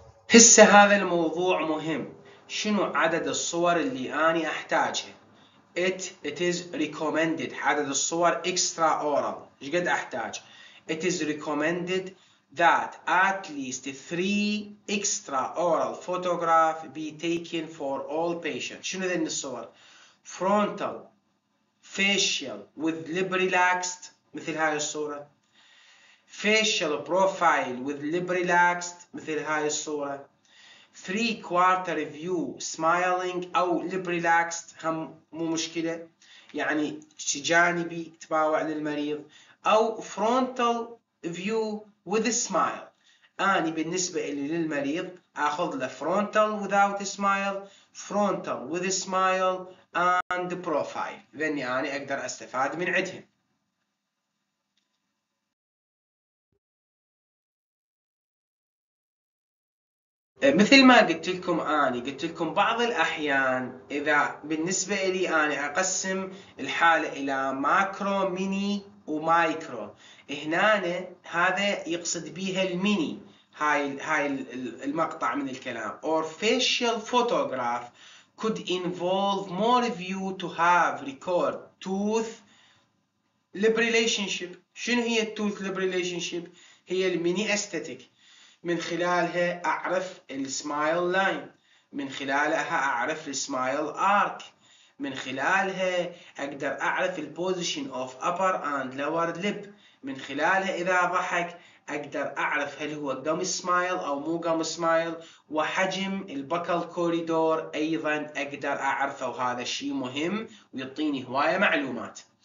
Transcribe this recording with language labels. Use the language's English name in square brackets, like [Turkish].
[Arabic] هسه هذا الموضوع مهم، شنو عدد الصور اللي اني احتاجها؟ [English] It is recommended، عدد الصور extra oral [Arabic] ايش قد احتاج؟ [English] It is recommended that at least 3 extra oral photograph be taken for all patients. [Arabic] شنو ذن الصور؟ [English] Frontal, facial with lip relaxed، [Arabic] مثل هاي الصورة. [English] Facial profile with lip relaxed، [Arabic] مثل هاي الصورة. [English] 3/4 view smiling [Arabic] او lip relaxed، هم مو مشكلة، يعني جانبي تباوع للمريض، او [English] frontal view with a smile. [Arabic] اني بالنسبة لي للمريض اخذ له frontal without a smile، frontal with a smile and profile، لاني اني اقدر استفاد من عدهم. مثل ما قلت لكم اني قلت لكم بعض الاحيان اذا بالنسبة لي اني اقسم الحالة الى ماكرو ميني ومايكرو، هنا هذا يقصد بيها الميني، هاي المقطع من الكلام. [English] Or facial photograph could involve more view to have record tooth lip relationship. [Arabic] شنو هي tooth lip relationship؟ هي الميني استاتيك، من خلالها اعرف السمايل لاين، من خلالها اعرف السمايل ارك، من خلالها اقدر اعرف البوزيشن [English] of upper and lower lip, [Arabic] من خلالها اذا ضحك اقدر اعرف هل هو قام سمايل او مو قام سمايل، وحجم البكل كوريدور ايضا اقدر اعرفه، وهذا الشيء مهم ويعطيني هوايه معلومات.